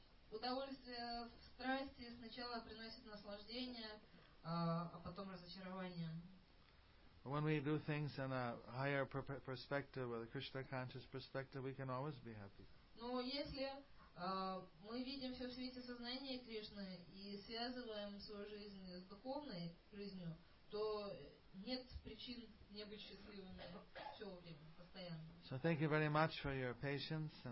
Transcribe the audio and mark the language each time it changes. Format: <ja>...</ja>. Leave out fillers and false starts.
<ru>Удовольствие в страсти сначала приносит наслаждение, а потом разочарование.</ru> <en>When we do things in a higher perspective, with a Krishna conscious perspective, we can always be happy.</en> <ru>Но если мы видим все в свете сознания Кришны и связываем свою жизнь с духовной жизнью, то нет причин не быть счастливыми все время.</ru> <en>So thank you very much for your patience and</en>